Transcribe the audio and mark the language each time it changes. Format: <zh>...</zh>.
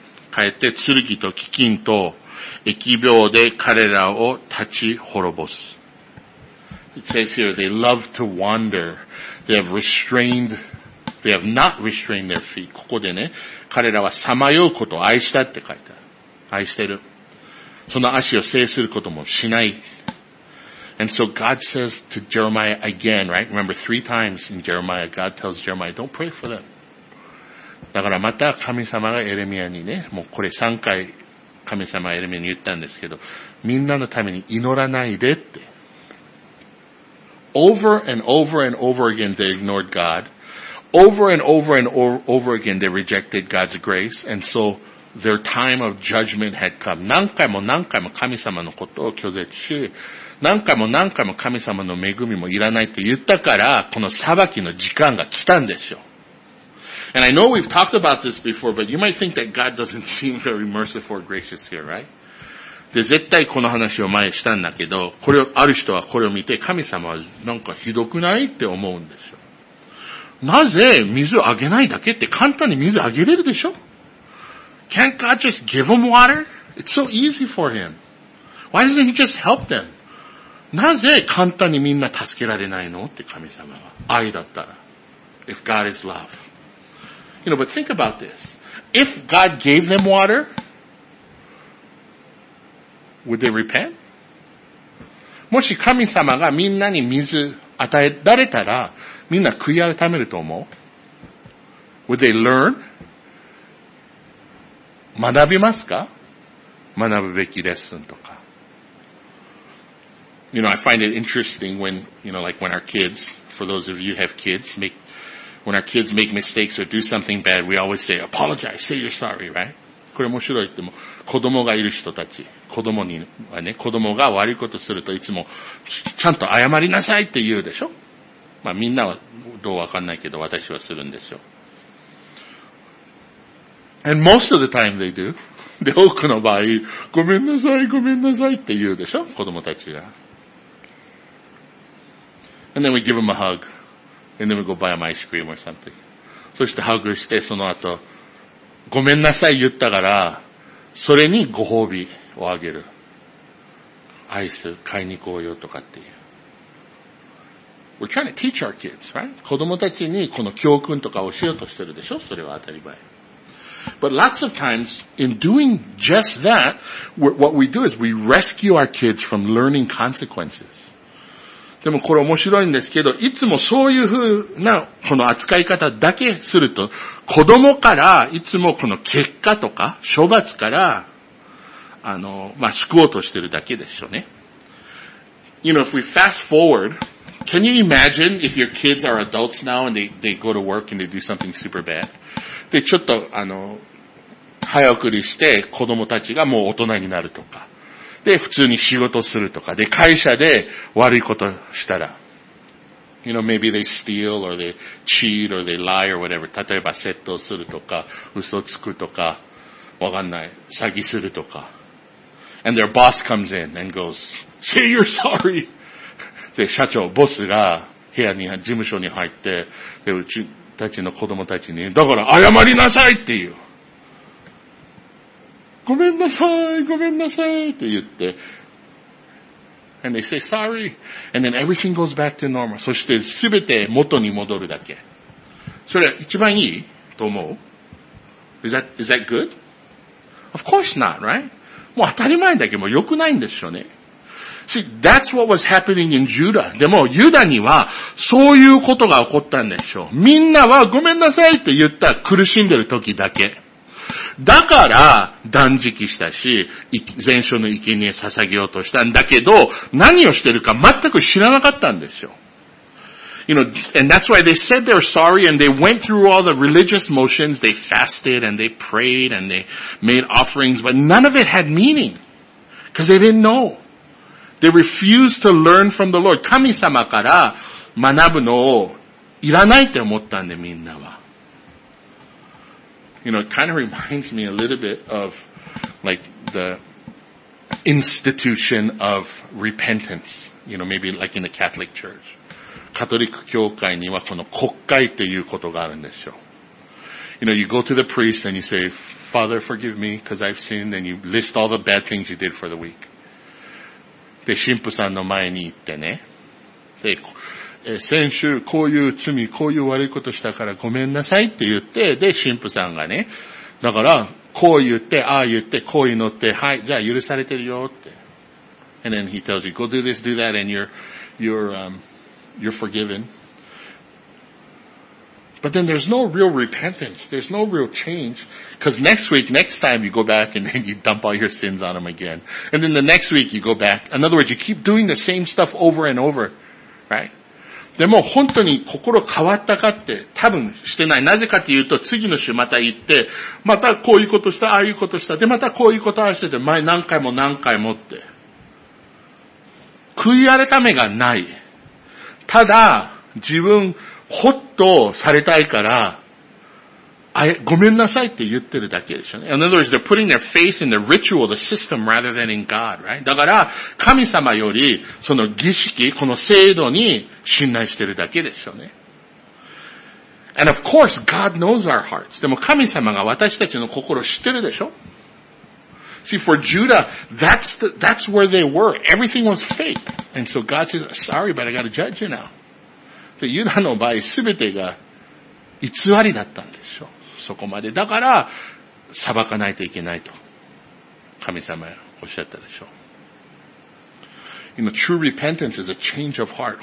<ja>かえって剣と飢饉と疫病で彼らを立ち滅ぼす。</ja> <en>It says here, they love to wander. They have not restrained their feet.</en> <ja>ここでね、彼らはさまようことを愛したって書いてある。愛してる。その足を制することもしない。</ja> <en>And so God says to Jeremiah again, right? Remember three times in Jeremiah, God tells Jeremiah, don't pray for them.</en> <ja>だからまた神様がエレミアにね、もうこれ3回神様がエレミアに言ったんですけど、みんなのために祈らないでって。</ja> <en>Over and over and over again, they ignored God. Over and over and over again, they rejected God's grace. And so their time of judgment had come.</en> <ja>何回も何回も神様のことを拒絶し、何回も何回も神様の恵みもいらないと言ったから、この裁きの時間が来たんですよ。</ja> <en>And I know we've talked about this before, but you might think that God doesn't seem very merciful or gracious here, right?</en> <ja>で、絶対この話を前にしたんだけど、これを、ある人はこれを見て、神様はなんかひどくないって思うんですよ。なぜ水をあげないだけって簡単に水あげれるでしょ?</ja> <en>Can't God just give them water? It's so easy for him. Why doesn't he just help them?</en> <ja>なぜ簡単にみんな助けられないのって神様は。愛だったら。</ja> <en>If God is love. You know, but think about this. If God gave them water, would they repent?</en> <ja>もし神様がみんなに水与えられたら、みんな悔い改めると思う?</ja> <en>Would they learn?</en> <ja>学びますか? 学ぶべきレッスンとか。</ja> <en>You know, I find it interesting when, you know, like when our kids, for those of you who have kids, When our kids make mistakes or do something bad, we always say, apologize, say you're sorry, right?</en> <ja>これ面白いっても、子供がいる人たち、子供にはね、子供が悪いことするといつも、ちゃんと謝りなさいって言うでしょ? まあみんなはどうわかんないけど、私はするんですよ。</ja> <en>And most of the time they do.</en> <ja>で、多くの場合、ごめんなさい、ごめんなさいって言うでしょ? 子供たちが。</ja> <en>And then we give them a hug. And then we go buy them ice cream or something.</en> <ja>そしてハグして、その後、ごめんなさい言ったから、それにご褒美をあげる。アイス買いに行こうよとかっていう。</ja> <en>We're trying to teach our kids, right?</en> <ja>子供たちにこの教訓とか教えようとしてるでしょ? それは当たり前。</ja> <en>But lots of times, in doing just that, what we do is we rescue our kids from learning consequences.</en> <ja>でもこれ面白いんですけど、いつもそういうふうな、この扱い方だけすると、子供から、いつもこの結果とか、処罰から、まあ、救おうとしてるだけでしょうね。</ja> <en>You know, if we fast forward, can you imagine if your kids are adults now and they go to work and they do something super bad?</en> <ja>で、ちょっと、早送りして、子供たちがもう大人になるとか。で、普通に仕事するとか。で、会社で悪いことしたら。</ja> <en>You know, maybe they steal or they cheat or they lie or whatever.</en> <ja>例えば、窃盗するとか、嘘つくとか、わかんない、詐欺するとか。</ja> <en>And their boss comes in and goes, say you're sorry!</en> <ja>で、社長、ボスが部屋に、事務所に入って、で、うちたちの子供たちに、だから謝りなさいって言う。ごめんなさい、ごめんなさいって言って。</ja> <en>And they say sorry. And then everything goes back to normal.</en> <ja>そしてすべて元に戻るだけ。それは一番いいと思う</ja> <en>Is that good? Of course not, right?</en> <ja>もう当たり前だけど、もう良くないんでしょうね。</ja> <en>See, that's what was happening in Judah.</en> <ja>でも、ユダにはそういうことが起こったんでしょう。みんなはごめんなさいって言った苦しんでる時だけ。だから断食したし、全焼の生贄捧げようとしたんだけど、何をしてるか全く知らなかったんですよ。</ja> <en>You know, and that's why they said they're sorry and they went through all the religious motions. They fasted and they prayed and they made offerings, but none of it had meaning. Because they didn't know. They refused to learn from the Lord.</en> <ja>神様から学ぶのをいらないって思ったんで、みんなは。</ja> <en>You know, it kind of reminds me a little bit of like the institution of repentance. You know, maybe like in the Catholic Church.</en> <ja>カトリック教会にはこの国会っていうことがあるんですよ。</ja> <en>You know, you go to the priest and you say, Father, forgive me because I've sinned. And you list all the bad things you did for the week.</en> <ja>で、神父さんの前に行ってね。で、先週こういう罪、こういう悪いことしたからごめんなさいって言って、で、神父さんがね、だから、こう言って、ああ言って、こう祈って、はい、じゃあ許されてるよって。</ja> <en>And then he tells you, go do this, do that, and you're forgiven. But then there's no real repentance, there's no real change, because next week, next time you go back and then you dump all your sins on him again. And then the next week you go back. In other words, you keep doing the same stuff over and over, right?</en> <ja>でも本当に心変わったかって多分してない。なぜかというと次の週また行って、またこういうことした、ああいうことした、でまたこういうことはしてて、前何回も何回もって。悔い改めがない。ただ、自分、ホッとされたいから、ごめんなさいって言ってるだけでしょ、ね。</ja> <en>In other words, they're putting their faith in the ritual, the system, rather than in God, right?</en> <ja>だから、神様より、その儀式、この制度に信頼してるだけでしょうね。</ja> <en>And of course, God knows our hearts.</en> <ja>でも神様が私たちの心を知ってるでしょ。</ja> <en>See, for Judah, that's where they were. Everything was fake. And so God says, sorry, but I gotta judge you now.</en> <ja>で、ユダの場合、すべてが偽りだったんでしょ。そこまで。だから、裁かないといけないと。神様がおっしゃったでしょ。</ja> <en>You know, true repentance is a change of heart.</en>